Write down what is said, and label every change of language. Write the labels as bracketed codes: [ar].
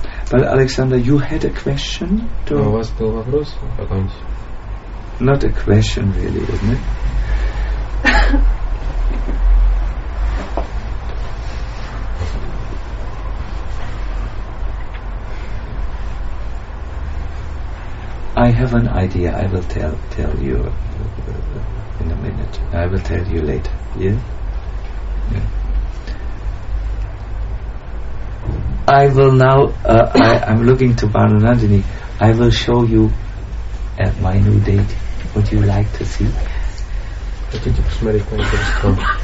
[en] But Alexander, you had a question? [ru] У вас был вопрос какой-нибудь? [en] Not a question really, isn't it? I have an idea. I will tell you in a minute. I will tell you later. Yeah. I will now. I'm looking to Bhanunandini. I will show you at my new date. Would you like to see? [ru] Хотите посмотреть мой телескоп?